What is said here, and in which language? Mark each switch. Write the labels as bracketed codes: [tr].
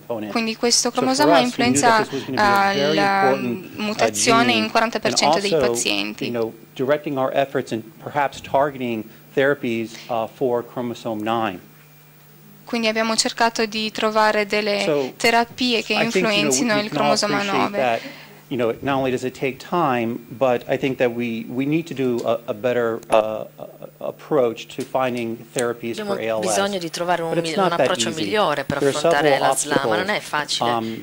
[it] Quindi questo cromosoma influenza la mutazione in 40% dei pazienti. [en] Directing our efforts and perhaps targeting therapies for chromosome 9. [it] Quindi abbiamo cercato di trovare delle terapie che influenzino il cromosoma 9. [en] You know, not only does it take time, but I think that we need to do a better approach to finding therapies for ALS. [it] Abbiamo bisogno di trovare un approccio migliore per affrontare l'ASLA, ma non è facile.